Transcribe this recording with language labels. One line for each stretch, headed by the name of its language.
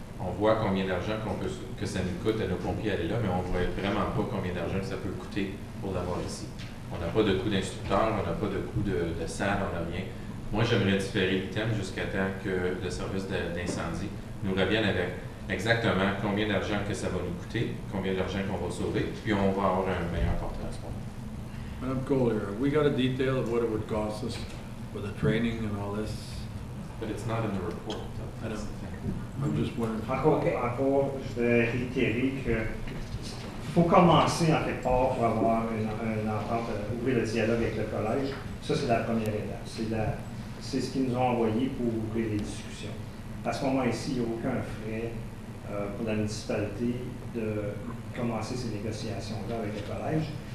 French: On voit combien d'argent qu'on peut, que ça nous coûte à nos pompiers aller là, mais on ne voit vraiment pas combien d'argent ça peut coûter pour l'avoir ici. On n'a pas de coût d'instructeur, on n'a pas de coût de salle, on n'a rien. Moi, j'aimerais différer le thème jusqu'à temps que le service d'incendie nous revienne avec exactement combien d'argent que ça va nous coûter, combien d'argent qu'on va sauver, puis on va avoir un meilleur portrait à ce moment-là.
English: Madame Collier, we got a detail of what it would cost us for the training and all this. But it's not in the report. I'm just wondering.
French: Encore, je vais réitérer que faut commencer en quelque part pour avoir une entente, ouvrir le dialogue avec le collège. Ça, c'est la première étape. C'est ce qu'ils nous ont envoyé pour ouvrir les discussions. À ce moment-ci, il n'y a aucun frais pour la municipalité de commencer ces négociations-là avec le collège.